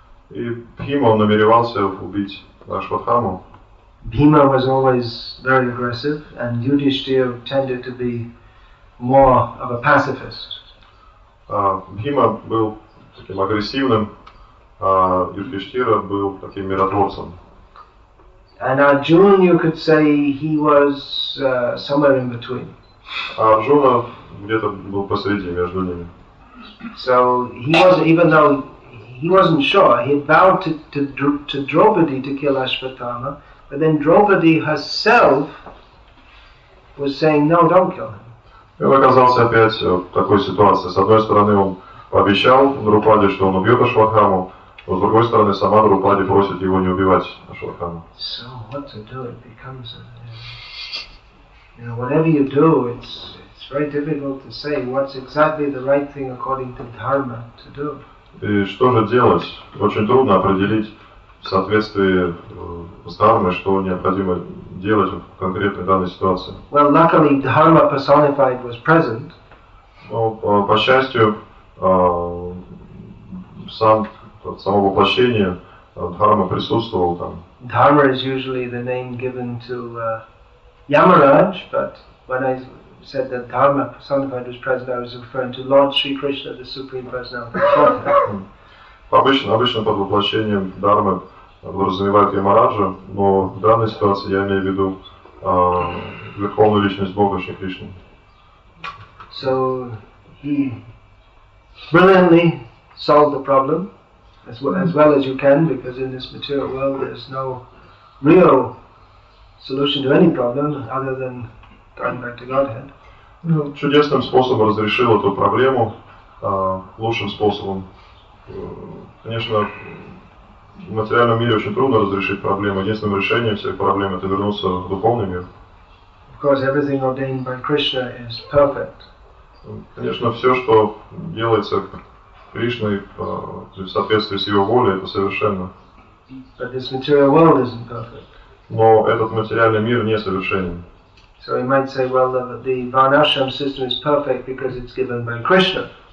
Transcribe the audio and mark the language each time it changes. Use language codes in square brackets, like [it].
[ru] И Бхима намеревался убить Ашватхаму. [en] Bhima was always very aggressive, and Yudhishthira tended to be more of a pacifist. [ru] Бхима был таким агрессивным, а Юдхиштхира был таким миротворцем. [en] And Arjuna, you could say, he was somewhere in between. [ru] Arjuna где-то был посреди между ними. [en] So he wasn't, even though he wasn't sure, he vowed to Draupadi to kill Ashvatthama, but then Draupadi herself was saying, no, don't kill him. [ru] И он оказался опять в такой ситуации. С одной стороны, он пообещал Друпаде, что он убьет Ашватхаму. Но, с другой стороны, сама Друпади просит его не убивать Ашватхаму. [en] So what to do? It becomes a, you know, whatever you do, it's very difficult to say what's exactly the right thing according to dharma to do. [ru] И что же делать? Очень трудно определить в соответствии с дхармой, что необходимо делать в конкретной данной ситуации. [en] Well, luckily, dharma personified was present. [ru] Но, по счастью, сам само воплощение дхармы присутствовало там. [en] Dharma is usually the name given to Yamaraj, but when I said that Dharma personified was present, I was referring to Lord Sri Krishna, the Supreme Personality of Godhead. [ru] Обычно под воплощением Дхармы подразумевают Ямараджа, но в данной ситуации я имею в виду Верховную Личность Бога Шри Кришны. [en] So he brilliantly solved the problem as well as you can, because in this material world there's no real solution to any problem other than going back to Godhead. [ru] Чудесным способом разрешил эту проблему, лучшим способом. Конечно, в материальном мире очень трудно разрешить проблему. Единственным решением всех проблем это вернуться в духовный мир. [en] Of course, everything ordained by Krishna is perfect. [ru] Конечно, все, что делается Кришной в соответствии с Его волей, это совершенно. [en] But this material world isn't perfect. [ru] Но этот материальный мир не совершенен. [en] So you might say, well, the Varnashram system is perfect because it's given by Krishna.